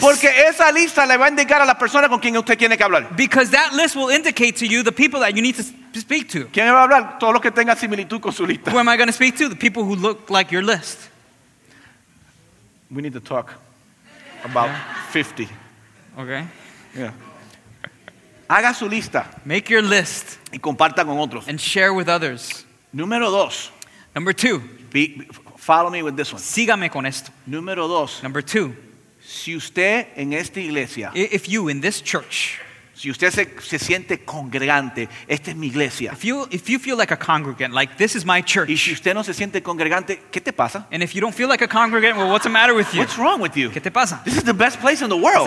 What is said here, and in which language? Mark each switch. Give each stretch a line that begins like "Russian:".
Spanish: Porque esa lista le va a indicar a la persona con quien usted tiene que hablar.
English: Because that list will indicate to you the people that you need to speak to.
Spanish: ¿Quién va a hablar? Todos los que tengan similitud con su lista.
English: Who am I going to speak to? The people who look like your list. We need to talk about 50. Okay.
Spanish: Yeah. Haga su lista.
English: Make your list.
Spanish: Y comparta con otros.
English: And share with others.
Spanish: Número dos.
English: Number two. Follow me with this one.
Spanish: Sígame con esto. Número dos.
English: Number two.
Spanish: Si usted en esta iglesia.
English: If you in this church.
Spanish: Si usted se siente congregante, esta es mi iglesia.
English: If you feel like a congregant, like this is my church.
Spanish: Y si usted no se siente congregante, ¿qué te pasa?
English: And if you don't feel like a congregant, well, what's the matter with you? What's wrong with you?
Spanish: ¿Qué te pasa?
English: This is the best place in the world.